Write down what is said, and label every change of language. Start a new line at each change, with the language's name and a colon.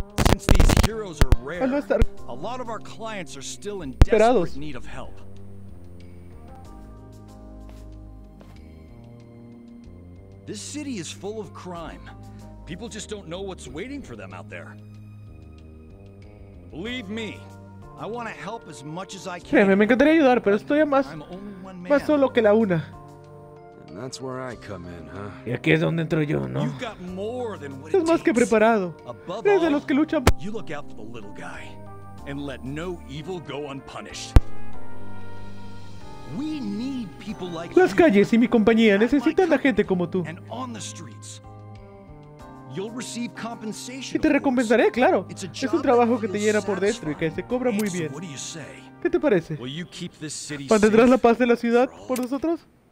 English: Since these heroes are rare, a lot of our clients are still in desperate need of help. This city is full of crime. People just don't know what's waiting for them out there. Believe me, I want to help as much as I can.
Spanish: Me encantaría ayudar, pero estoy más solo que la una.
English: And that's where I come in, huh?
Spanish: Y aquí es donde entro yo, ¿no?
English: You've got more than what
Spanish: Estás más que preparado. Eres de los que luchan.
English: You look out for the little guy and let no evil go unpunished. We need people like
Spanish: Las calles y mi compañía necesitan a gente como tú.
English: And on the streets. You'll receive compensation.
Spanish: Y te recompensaré, claro. Es un trabajo que te llena por dentro y que se cobra muy bien. ¿Qué te parece? ¿Mantendrás la paz de la ciudad por nosotros?